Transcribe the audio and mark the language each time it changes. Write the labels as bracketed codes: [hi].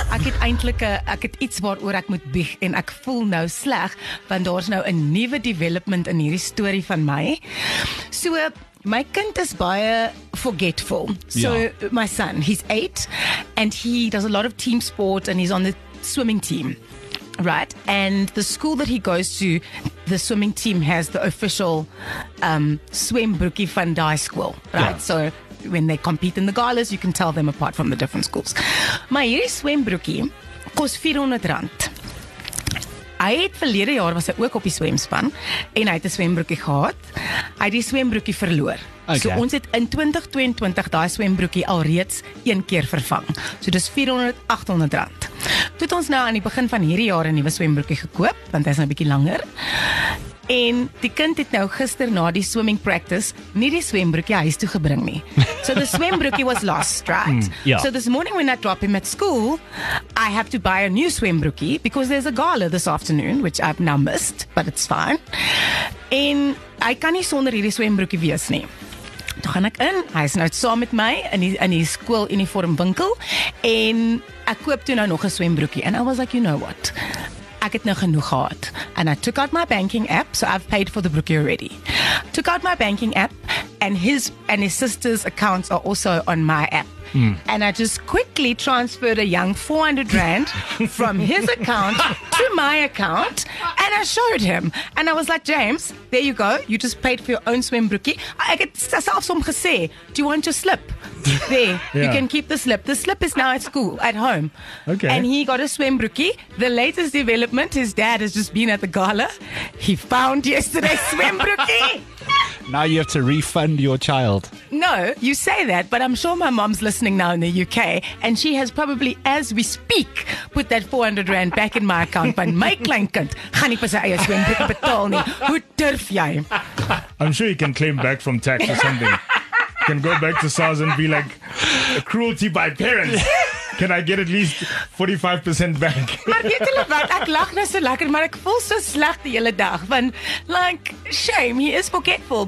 [af] Ek het eintlik iets waaroor ek moet bieg en ek voel nou sleg want daar's nou 'n nuwe development in hierdie storie van my. So my kind is baie forgetful. So ja. [en] My son, he's 8 and he does a lot of team sport and he's on the swimming team. Right, and the school that he goes to, the swimming team has the official swim broekie [af] van die [en] school, right? Yeah. So when they compete in the galas, you can tell them apart from the different schools. [af] My hierdie swim broekie kos R400. Hy het verlede jaar was hy ook op die swemspan en hy het 'n swim broekie gehad. Hy het die swim broekie verloor. [en] Okay. [af] So ons het in 2022 daai swim broekie alreeds een keer vervang. So dis R400-R800. Toe het ons nou aan die begin van hierdie jaar 'n nuwe swembroekie gekoop, want hy is nou 'n bietjie langer. En die kind het nou gister na die swimming practice nie die swembroekie huis toe gebring nie. [en] So the swembroekie was lost, right? Yeah. So this morning when I drop him at school, I have to buy a new swembroekie because there's a gala this afternoon, which I've now missed, but it's fine. [af] En hy kan nie sonder hierdie swembroekie wees nie. Toe gaan ek in, hy is nou saam met my in die skool uniform winkel en ek koop toe nou nog 'n swembroekie [en] and I was like, you know what, [af] ek het nou genoeg gehad [en] and I took out my banking app, so I've paid for the broekie already, took out my banking app and his sister's accounts are also on my app. And I just quickly transferred a young R400 from his account to my account and I showed him and I was like, James, there you go, you just paid for your own swim broekie. I get self som gesê, do you want your slip? There, yeah. You can keep the slip. The slip is now at school, at home. Okay. And he got a swim broekie. The latest development, his dad has just been at the gala. He found yesterday's swim broekie. Now you have to refund your child. No, you say that, but I'm sure my mom's listening now in the UK, and she has probably, as we speak, put that R400 back in my account. [af] But my kleinkind gaan nie vir sy eie swim broekie betaal nie. Hoe durf jy? [en] I'm sure you can claim back from tax or something. Can go back to SARS and be like, a cruelty by parents. Can I get at least 45% back? [af] Maar weet julle wat, ek lag nou so lekker, maar ek voel so sleg die hele dag. Want, [en] like, shame, he is forgetful.